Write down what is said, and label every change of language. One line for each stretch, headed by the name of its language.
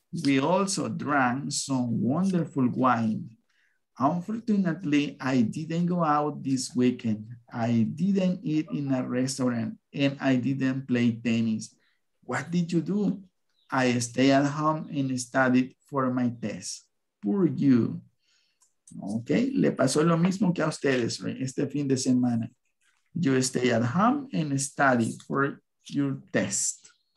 English: We also drank some wonderful wine. Unfortunately, I didn't go out this weekend. I didn't eat in a restaurant and I didn't play tennis. What did you do? I stayed at home and studied for my test. Poor you.
Spanish: Ok, le pasó lo mismo que a ustedes, right? Este fin de semana.
English: You stay at home and study for your test.